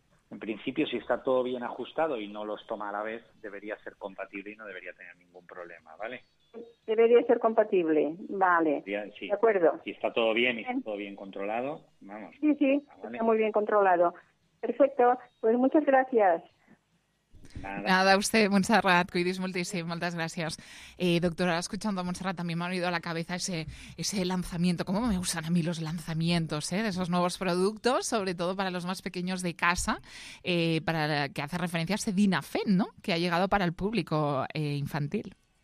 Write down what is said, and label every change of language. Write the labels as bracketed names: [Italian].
[Spanish] En principio, si está todo bien ajustado y no los toma a la vez, debería ser compatible y no debería tener ningún problema, ¿vale? Debería ser compatible, vale. Sí. De acuerdo. Si está todo bien y está todo bien controlado, vamos. Sí, sí, ¿vale? Está muy bien controlado. Perfecto, pues muchas gracias. Nada, a usted, [Catalan] Montserrat, cuidis moltíssim, moltes gràcies. [Spanish] Doctora, escuchando a Montserrat, también me ha venido a la cabeza ese lanzamiento, cómo me usan a mí los lanzamientos, de esos nuevos productos, sobre todo para los más pequeños de casa, para que hace referencia a ese Dinafen, ¿no?, que ha llegado para el público infantil.